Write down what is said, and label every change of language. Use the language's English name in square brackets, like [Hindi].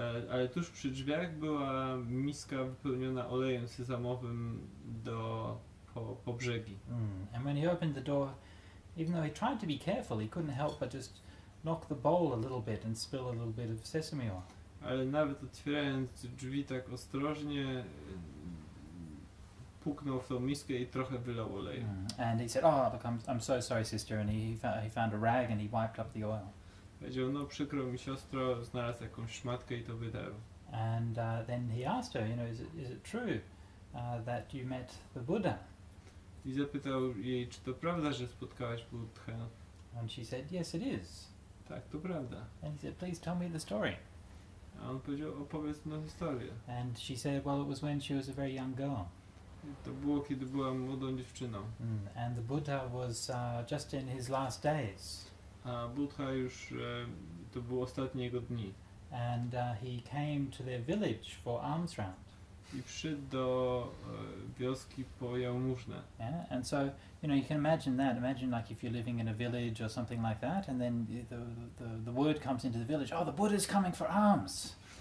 [Polish] Ale tuż przy drzwiach była miska wypełniona olejem sezamowym do po brzegi. [English] And when he opened the door, even though he tried to be careful, he couldn't help but just knock the bowl a little bit and spill a little bit of sesame oil. [Polish] Ale nawet otwierając drzwi tak ostrożnie, puknął w tą miskę i trochę wylał oleju. [English] And he said, oh, look, I'm so sorry, sister. And he found a rag and he wiped up the oil. [Polish] Powiedział, no przykro mi siostro, znalazł jakąś szmatkę i to wydarł. [English] And then he asked her, you know, is it true that you met the Buddha? [Polish] I zapytał jej, czy to prawda, że spotkałaś Buddhę? [English] And she said, yes it is. [Polish] Tak, to prawda. [English] And he said, please tell me the story. [Polish] A on powiedział, opowiedz mi historię. [English] And she said, well, it was when she was a very young girl. [Polish] To było, kiedy była młodą dziewczyną. [English] And the Buddha was just in his last days. [Polish] A Buddha już to było ostatnie jego dni. [English] And he came to their village for alms round. [Polish] I przyszedł do wioski po jałmużnę. [English] Yeah, and so you know you can imagine that. Imagine like if you're living in a village or something like that, and then the word comes into the village. Oh, the Buddha's coming for alms.